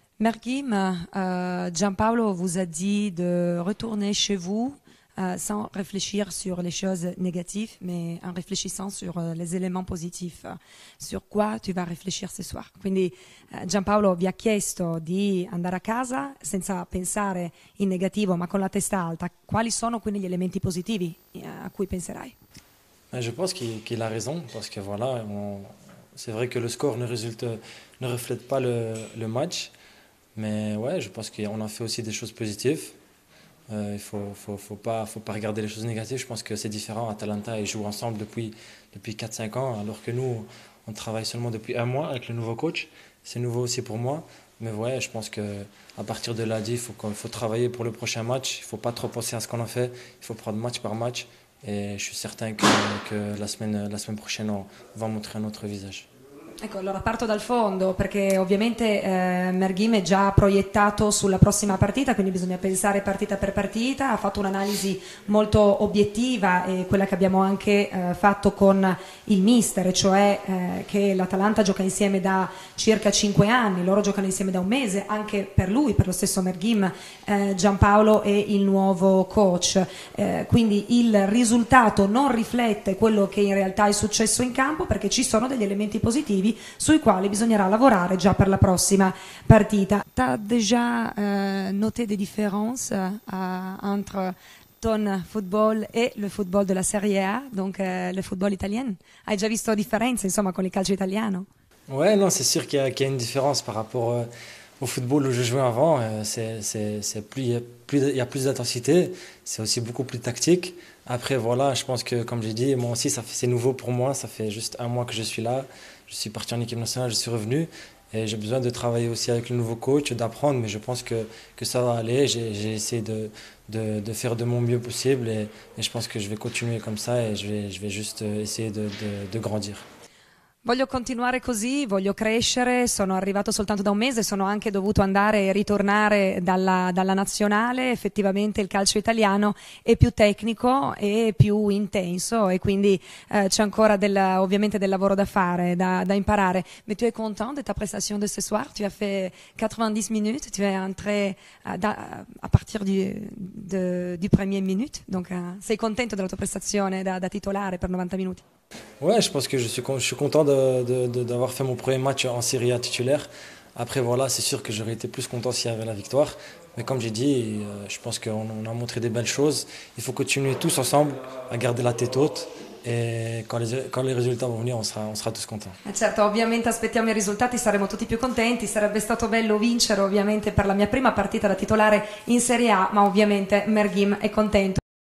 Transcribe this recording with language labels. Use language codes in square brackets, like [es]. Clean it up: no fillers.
[fr] Merguim, Gianpaolo vous a dit de retourner chez vous sans réfléchir sur les choses négatives, mais en réfléchissant sur les éléments positifs. Sur quoi tu vas réfléchir ce soir? [it] Quindi Gianpaolo vi ha chiesto di andare a casa senza pensare in negativo, ma con la testa alta. Quali sono quindi gli elementi positivi a cui penserai? [fr] Je pense qu'il a raison parce que voilà, c'est vrai que le score ne reflète pas le match, mais ouais, je pense qu'on a fait aussi des choses positives. Il faut pas regarder les choses négatives. Je pense que c'est différent. Atalanta, ils jouent ensemble depuis 4-5 ans, alors que nous, on travaille seulement depuis un mois avec le nouveau coach. C'est nouveau aussi pour moi, mais ouais, je pense que à partir de lundi, il faut travailler pour le prochain match. Il faut pas trop penser à ce qu'on a fait. Il faut prendre match par match. Et je suis certain que la semaine prochaine on va montrer un autre visage. [it] Ecco, allora parto dal fondo perché ovviamente Merghim è già proiettato sulla prossima partita, quindi bisogna pensare partita per partita. Ha fatto un'analisi molto obiettiva, quella che abbiamo anche fatto con il mister, cioè che l'Atalanta gioca insieme da circa 5 anni, loro giocano insieme da un mese, anche per lui, per lo stesso Merghim, Gianpaolo è il nuovo coach. Quindi il risultato non riflette quello che in realtà è successo in campo perché ci sono degli elementi positivi sui quali bisognerà lavorare già per la prossima partita. [fr] T'as déjà noté des différences entre ton football et le football de la Serie A, donc le football italien? [it] Hai già visto differenze, insomma, con il calcio italiano? [fr] Ouais, non, c'est sûr qu'il y a une différence par rapport au football où je jouais avant. Il y a plus d'intensité, c'est aussi beaucoup plus tactique. Après, voilà, je pense que, comme j'ai dit, moi aussi, c'est nouveau pour moi. Ça fait juste un mois que je suis là. Je suis parti en équipe nationale, je suis revenu et j'ai besoin de travailler aussi avec le nouveau coach, d'apprendre, mais je pense que ça va aller. J'ai essayé de faire de mon mieux possible et je pense que je vais continuer comme ça et je vais juste essayer de grandir. [it] Voglio continuare così, voglio crescere, sono arrivato soltanto da un mese, sono anche dovuto andare e ritornare dalla nazionale. Effettivamente il calcio italiano è più tecnico e più intenso e quindi c'è ancora ovviamente del lavoro da fare, da imparare. [fr] Mais tu es content de ta prestation de ce soir? Tu as fait 90 minutes, tu es entré à partir du premier minute, donc [it] sei contento della tua prestazione da titolare per 90 minuti? [fr] Ouais, je pense que je suis content d'avoir fait mon premier match en Serie A titulaire. Après, voilà, c'est sûr que j'aurais été plus content s'il y avait la victoire. Mais comme j'ai dit, je pense qu'on a montré des belles choses. Il faut continuer tous ensemble à garder la tête haute. Et quand les résultats vont venir, on sera tous contents. [it] Certo, ovviamente aspettiamo i risultati, saremo tutti più contenti. Sarebbe stato bello vincere, ovviamente, per la mia prima partita da titolare in Serie A, ma ovviamente Merghim è contento.